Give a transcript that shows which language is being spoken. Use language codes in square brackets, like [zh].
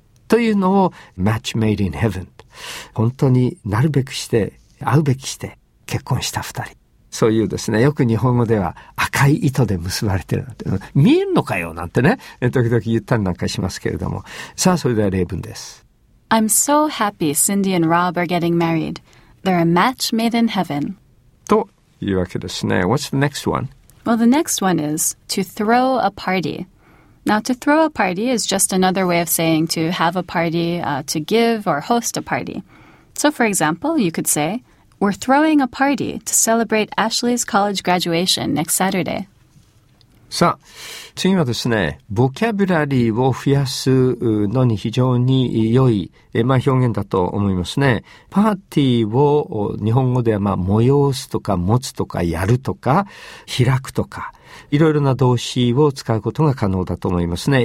[ja] というのを、 [en] match made in heaven。 [ja] 本当になるべくして、会うべきして、結婚した二人。そういうですね、よく日本語では赤い糸で結ばれてるなんて、見えるのかよなんてね、時々言ったりなんかしますけれども。さあ、それでは例文です。 [en] I'm so happy Cindy and Rob are getting married. They're a match made in heaven. [ja] というわけですね。 [en] What's the next one? Well, the next one is to throw a party. Now, to throw a party is just another way of saying to have a party, to give or host a party. So, for example, you could say, we're throwing a party to celebrate Ashley's college graduation next Saturday. [ja] さあ、次はですね、ボキャブラリーを増やすのに非常に良い、まあ、表現だと思いますね。パーティーを日本語では、まあ、催すとか持つとかやるとか開くとか、いろいろな動詞を使うことが可能だと思いますね。